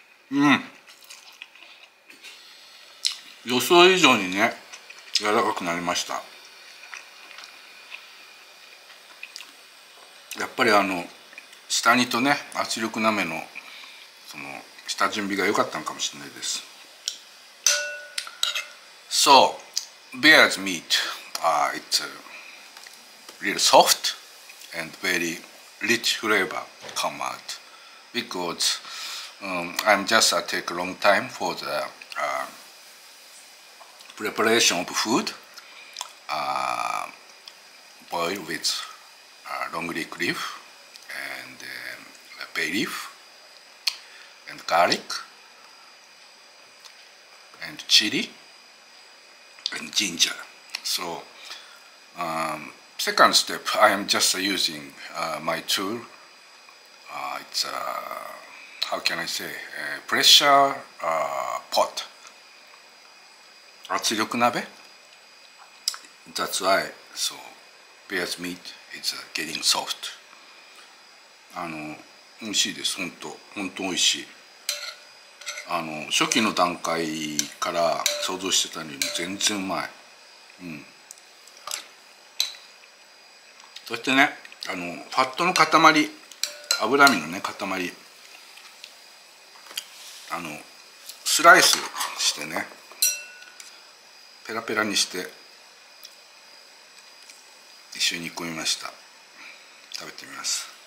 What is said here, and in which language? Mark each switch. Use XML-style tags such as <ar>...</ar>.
<ja>うん、予想以上にね、柔らかくなりました。やっぱりあの下煮とね、圧力なめのその下準備が良かったのかもしれないです。</ja> <en>So, bear's meat、it's a little soft and very rich flavor come outBecause I'm just take a long time for the preparation of food, boil with long leek leaf and bay leaf and garlic and chili and ginger. So second step, I am just using my tool. It's a, how can I say, a pressure pot.</en> <ja>圧力鍋?</ja> <en>That's why, so, bear's meat is getting soft.</en> <ja>あの、美味しいです。本当、本当美味しい。あの、初期の段階から想像してたのに全然うまい。うん。そしてね、あの、ファットの塊。脂身のね、塊、あのスライスしてね、ペラペラにして一緒に煮込みました。食べてみます。</ja>